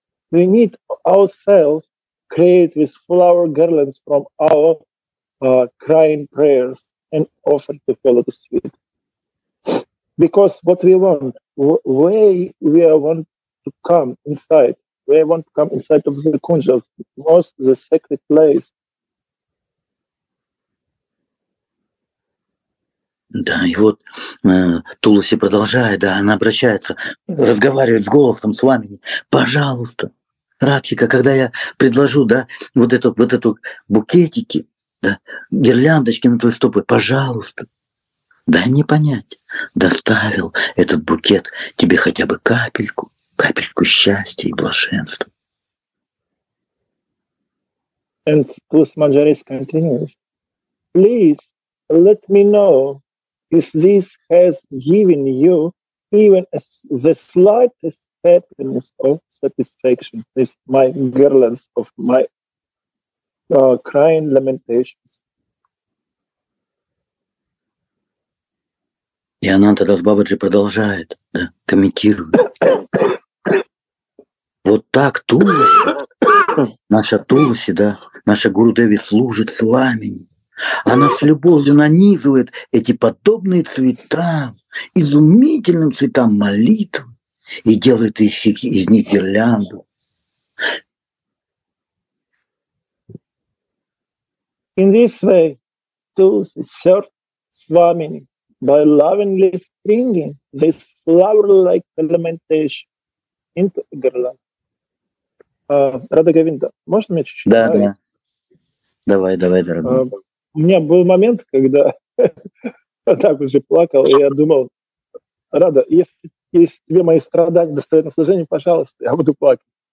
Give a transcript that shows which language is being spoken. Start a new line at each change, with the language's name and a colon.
English: We need ourselves create with flower garlands from our crying prayers and offer to the lotus feet. Because what we want, we want to come inside of the Kunjas, most of the sacred place.
Russian: Да, и вот Туласи продолжает, да, она обращается, разговаривает с голосом с вами. Пожалуйста, Радхика, когда я предложу, да, вот эту букетики, да, гирляндочки на твои стопы, пожалуйста, дай мне понять, доставил этот букет тебе хотя бы капельку счастья и блаженства.
English: And Tulas Manjari's continues. Please let me know. If this has given you even the slightest happiness of satisfaction, this my garlands of my crying lamentations.
Russian: И Ананта Дас Бабаджи продолжает, да, комментирует. Вот так Туласи, наша Туласи, да, наша Гуру Деви служит с вами. Она с любовью нанизывает эти подобные цвета, изумительным цветам молитвы, и делает из них гирлянду.
English: In this way, Tulsi served Swamini by lovingly stringing this flower-like lamentation into a garland.
Russian: Рада Говинда, можно мне чуть-чуть? Да, да. Давай, дорогой. У меня был момент, когда так уже плакал, и я думал, Рада, если тебе мои страдания достойны наслаждения, пожалуйста, я буду плакать.